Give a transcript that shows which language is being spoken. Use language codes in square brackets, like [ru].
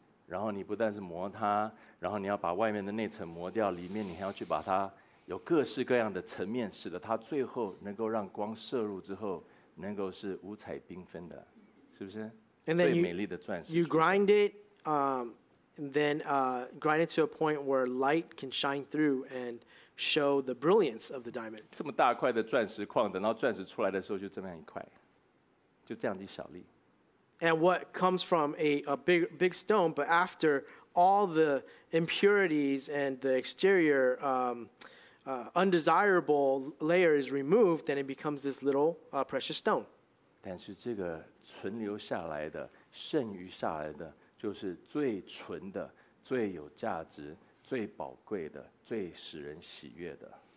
[zh] 然后你不但是磨它，然后你要把外面的那层磨掉，里面你还要去把它有各式各样的层面，使得它最后能够让光射入之后，能够是五彩缤纷的，是不是？ [en] And then [zh] 最美丽的钻石。 [en] You grind it, grind it to a point where light can shine through and show the brilliance of the diamond. [zh] 这么大块的钻石矿，等到钻石出来的时候，就这么样一块，就这样的小粒。 [en] And what comes from a big stone, but after all the impurities and the exterior undesirable layer is removed, then it becomes this little precious stone. [zh] 但是这个存留下来的，剩余下来的，就是最纯的、最有价值、最宝贵的、最使人喜悦的。